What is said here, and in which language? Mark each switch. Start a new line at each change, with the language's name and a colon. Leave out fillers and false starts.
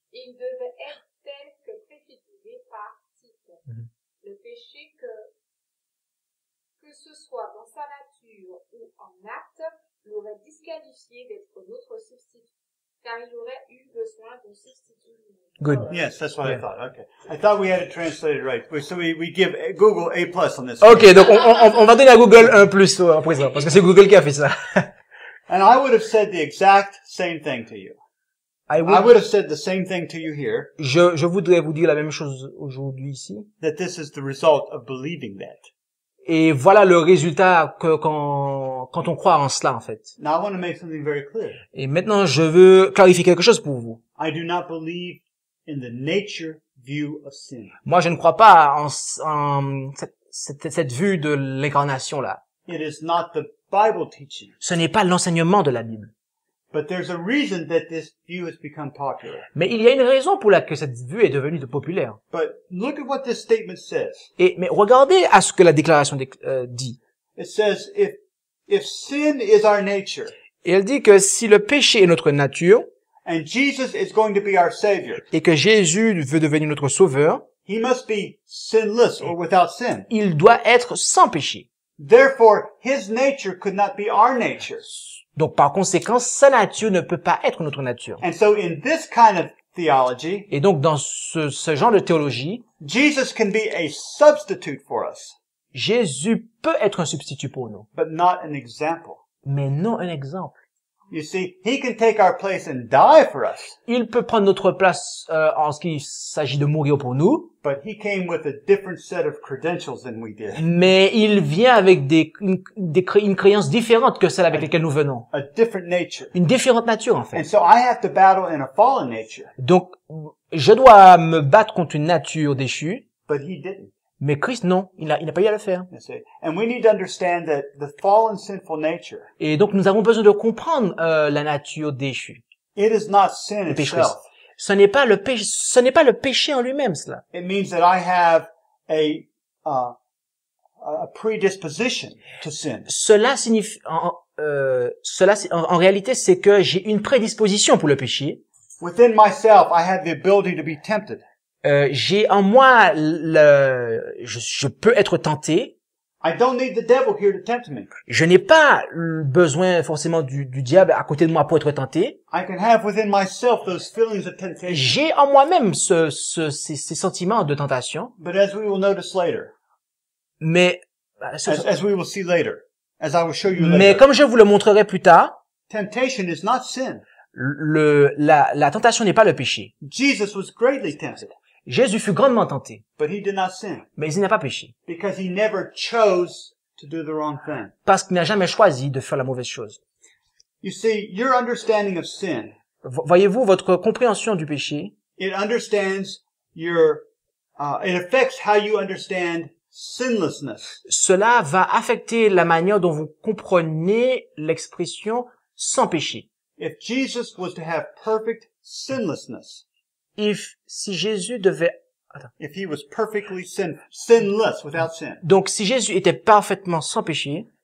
French: Il devait être tel que préfiguré par type. Mm-hmm. Le péché que ce soit dans sa nature ou en acte, l'aurait disqualifié d'être notre substitut, car il aurait eu besoin d'un substitut.
English: Good. Yes, that's what I thought. Okay. I thought we had it translated right. So we give Google A plus on this.
French: Okay, donc on va donner à Google un plus en présent, parce que c'est Google qui a fait ça.
English: And I would have said the exact same thing to you. I would have said the same thing to you here.
French: Je voudrais vous dire la même chose aujourd'hui ici.
English: That this is the result of believing that.
French: Et voilà le résultat quand on croit en cela, en fait.
English: Now I want to make something very clear.
French: Et maintenant, je veux clarifier quelque chose pour vous.
English: I do not believe in the nature view of sin.
French: Moi, je ne crois pas en cette vue de l'incarnation-là.
English: It is not the Bible teaching.
French: Ce n'est pas l'enseignement de la Bible.
English: But there's a reason that this view has become popular.
French: Mais il y a une raison pour laquelle cette vue est devenue populaire.
English: But look at what this statement says.
French: Mais regardez à ce que la déclaration dit.
English: It says if sin is our nature.
French: Et elle dit que si le péché est notre nature.
English: And Jesus is going to be our savior.
French: Et que Jésus veut devenir notre sauveur.
English: He must be sinless or without sin.
French: Il doit être sans péché.
English: Therefore, his nature could not be our nature.
French: Donc par conséquent, sa nature ne peut pas être notre nature.
English: And so in this kind of theology,
French: et donc dans ce genre de théologie,
English: Jesus can be a substitute for us.
French: Jésus peut être un substitut pour nous.
English: But not an example.
French: Mais non un exemple.
English: You see, he can take our place and die for us.
French: Il peut prendre notre place en ce qui s'agit de mourir pour nous.
English: But he came with a different set of credentials than we did.
French: Mais il vient avec une croyance différente que celle avec laquelle nous venons.
English: A different nature.
French: Une différente nature en fait.
English: And so I have to battle in a fallen nature.
French: Donc je dois me battre contre une nature déchue.
English: But he didn't.
French: Mais Christ, non, il n'a pas eu à le faire.
English: And we need to understand that the fallen, sinful nature.
French: Et donc nous avons besoin de comprendre la nature déchue.
English: It is not sin itself.
French: Ce n'est pas le péché en lui-même, cela.
English: It means that I have a predisposition to sin.
French: Cela signifie en réalité c'est que j'ai une prédisposition pour le péché.
English: Within myself, I have the ability to be tempted.
French: J'ai en moi je peux être tenté.
English: I don't need the devil here to tempt me.
French: Je n'ai pas besoin forcément du diable à côté de moi pour être tenté.
English: I can have within myself those feelings of temptation.
French: J'ai en moi-même ces sentiments de tentation.
English: But as we will notice later.
French: Mais
English: as we will see later, as I will show you later.
French: Mais comme je vous le montrerai plus tard.
English: Temptation is not sin.
French: La tentation n'est pas le péché.
English: Jesus was greatly tempted.
French: Jésus fut grandement tenté.
English: But he did not sin.
French: Mais il n'a pas péché.
English: Because he never chose to do the wrong thing.
French: Parce qu'il n'a jamais choisi de faire la mauvaise chose.
English: You see, your understanding of sin.
French: Voyez-vous, votre compréhension du péché.
English: It understands it affects how you understand sinlessness.
French: Cela va affecter la manière dont vous comprenez l'expression sans péché.
English: If Jesus was to have perfect sinlessness. If he was perfectly sinless without sin.
French: Donc si Jésus était parfaitement sans péché.